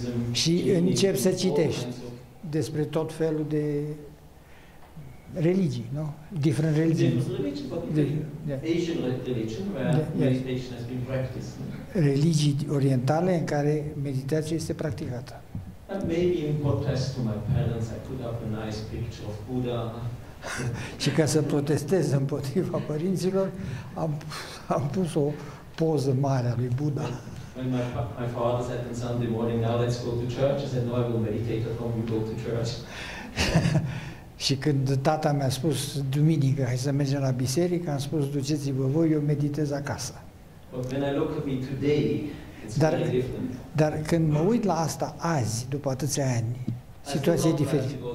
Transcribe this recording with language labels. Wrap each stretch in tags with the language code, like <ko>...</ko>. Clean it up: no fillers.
<ro>Și încep să citești despre tot felul de religii, nu?</ro> <en>Different religions. Asian religion, where meditation has been practiced.</en> <ro>Religii orientale în care meditația este practicată.</ro> <en>And maybe in protest to my parents, I put up a nice picture of Buddha.</en> <ro>Și ca să protestez împotriva părinților, am pus o poză mare a lui Buddha.</ro> <en>When my father said on Sunday morning, now let's go to church, I said, no, I will meditate at home, we go to church.</en> <ro>Și când tata mi-a spus duminică, hai să mergem la biserică, am spus, duceți-vă voi, eu meditez acasă.</ro> <en>But when I look at me today,</en> <ro>Dar când mă uit la asta azi, după atâția ani, situația e diferită.</ro>